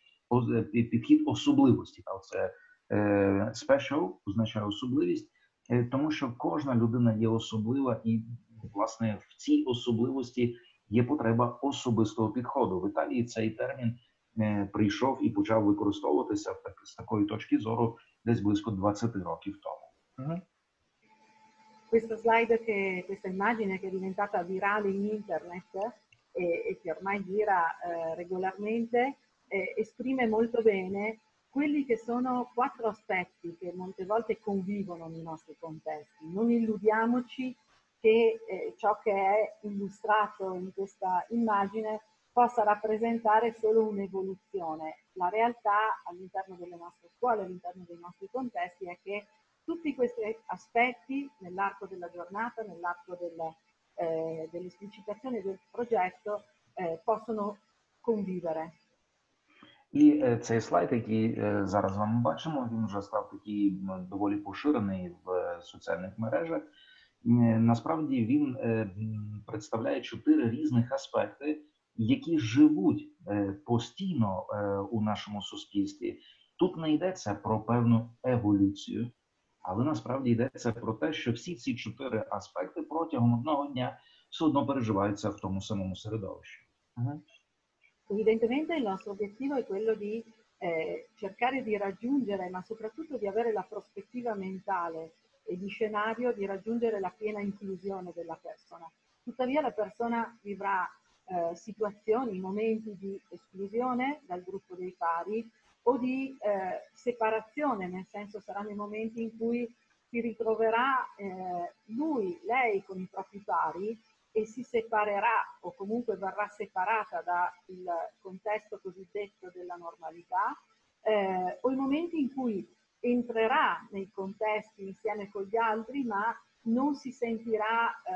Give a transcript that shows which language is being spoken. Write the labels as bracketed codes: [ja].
[uk] тобто підхід особливості, так, це special означає особливість, тому що кожна людина є особлива і, власне, в цій особливості є потреба особистого підходу. В Італії цей термін прийшов і почав використовуватися з такої точки зору десь близько 20 років тому. [it] Questa slide, questa immagine che è diventata virale in internet e che ormai gira regolarmente, esprime molto bene quelli che sono quattro aspetti che molte volte convivono nei nostri contesti. Non illudiamoci che ciò che è illustrato in questa immagine possa rappresentare solo un'evoluzione. La realtà all'interno delle nostre scuole, all'interno dei nostri contesti è che tutti questi aspetti nell'arco della giornata, nell'arco dell'esplicitazione del progetto possono convivere. [uk] І цей слайд, який зараз вам бачимо, він вже став такий доволі поширений в соціальних мережах. Насправді він представляє чотири різних аспекти, які живуть постійно у нашому суспільстві. Тут не йдеться про певну еволюцію, але насправді йдеться про те, що всі ці чотири аспекти протягом одного дня все одно переживаються в тому самому середовищі. [it] Evidentemente il nostro obiettivo è quello di cercare di raggiungere, ma soprattutto di avere la prospettiva mentale e di scenario di raggiungere la piena inclusione della persona. Tuttavia la persona vivrà situazioni, momenti di esclusione dal gruppo dei pari o di separazione, nel senso saranno i momenti in cui si ritroverà lui, lei con i propri pari e si separerà o comunque verrà separata dal contesto cosiddetto della normalità o i momenti in cui entrerà nei contesti insieme con gli altri ma non si sentirà